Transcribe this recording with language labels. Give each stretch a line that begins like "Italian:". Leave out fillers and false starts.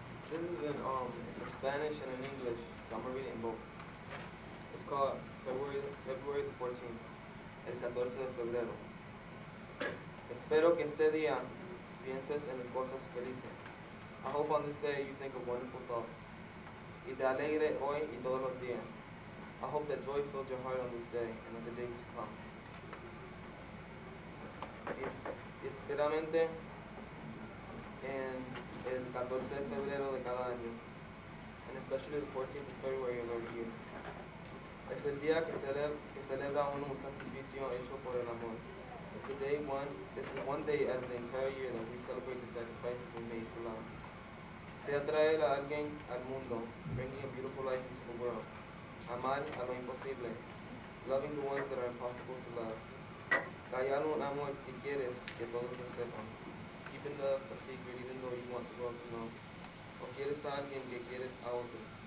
English: This is in Spanish and in English, so I'm reading both. It's called February the 14th,
Spanish: el 14 de febrero. Espero que este día pienses en cosas felices.
English: I hope on this day you think of wonderful thoughts.
Spanish: Y te alegre hoy y todos los días.
English: I hope that joy fills your heart on this day and on the day to come.
Spanish: Y esperamente en el 14 de febrero de cada año.
English: And especially the 14th of February of every year.
Spanish: Es el día que celebra un sacrificio hecho por el amor.
English: It's the day one, it's one day out of the entire year that we celebrate the sacrifices we made for love.
Spanish: Se atrae a alguien al mundo,
English: bringing a beautiful life into the world.
Spanish: Amar a lo imposible,
English: loving the ones that are impossible to love.
Spanish: Callar un amor si quieres que todos lo sepan.
English: Keeping love a secret even though you want the world to know.
Spanish: O quieres a alguien que quieres a otro.